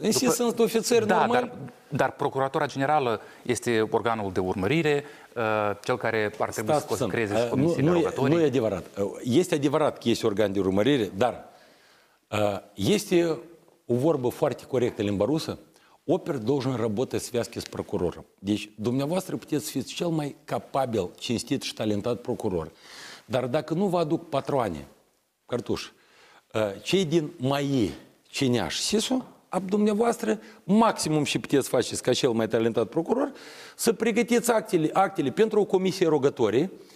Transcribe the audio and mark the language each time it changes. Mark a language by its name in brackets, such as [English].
[Romanian] În SIS sunt ofițeri da, normali. Dar Procuratura Generală este organul de urmărire, cel care ar trebui să creeze și comisiile rogătorii. Nu e adevărat. Este adevărat că este organ de urmărire, dar este o vorbă foarte corectă în limba rusă. [Russian] Опер должен работать в связке с прокурором. [Romanian] Деч, dumneavoastră puteți fi cel mai capabil, cinstit și talentat procuror. Dar dacă nu vă aduc patroane, cartuș, cei din MAI, Cineaș, SIS-ul, ab dumneavoastră, maximum și puteți face ca cel mai talentat procuror, să pregătiți actele pentru o comisie rogătorie.